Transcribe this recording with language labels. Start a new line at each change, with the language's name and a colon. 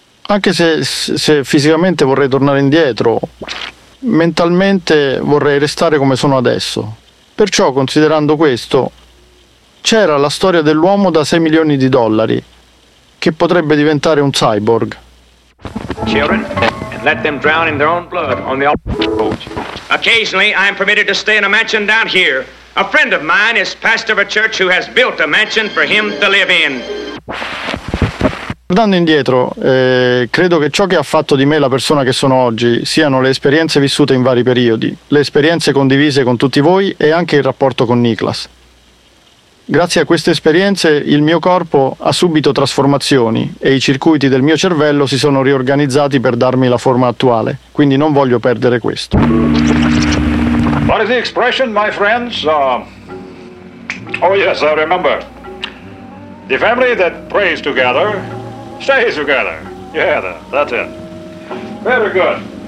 Italian: Anche se fisicamente vorrei tornare indietro, mentalmente vorrei restare come sono adesso. Perciò, considerando questo, c'era la storia dell'uomo da 6 milioni di dollari, che potrebbe diventare un cyborg.
English: Children, let them drown in their own blood on the opposite. Occasionally, I am permitted to stay in a mansion down here. A friend of mine is pastor of a church who has built a mansion for him to live in.
Italian: Guardando indietro, credo che ciò che ha fatto di me la persona che sono oggi siano le esperienze vissute in vari periodi, le esperienze condivise con tutti voi e anche il rapporto con Niklas. Grazie a queste esperienze il mio corpo ha subito trasformazioni e i circuiti del mio cervello si sono riorganizzati per darmi la forma attuale, quindi non voglio perdere questo.
English: What is the expression, my friends? Oh yes, I remember. The family that prays together stays together. Yeah, that's it. Very good.